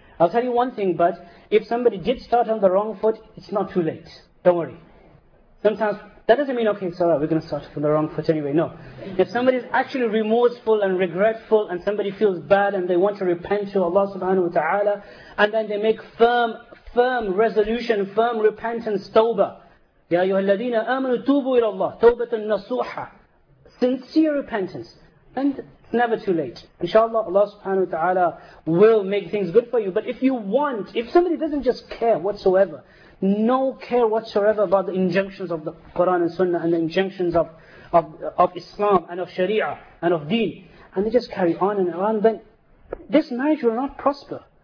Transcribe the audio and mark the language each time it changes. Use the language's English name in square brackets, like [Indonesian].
[English] I'll tell you one thing, but if somebody did start on the wrong foot, it's not too late. Don't worry. Sometimes, that doesn't mean, okay, sorry, we're going to start from the wrong foot anyway. No. If somebody is actually remorseful and regretful and somebody feels bad and they want to repent to Allah subhanahu wa ta'ala, and then they make firm resolution, firm repentance, tawbah. [Arabic] يا أيها الذين آمنوا توبوا إلى الله توبة النصوحة. [English] Sincere repentance. And it's never too late. Inshallah, Allah subhanahu wa ta'ala will make things good for you. But if you want, if somebody doesn't just care whatsoever, no care whatsoever about the injunctions of the Quran and Sunnah and the injunctions of Islam and of Sharia and of Deen, and they just carry on and on, then this marriage will not prosper.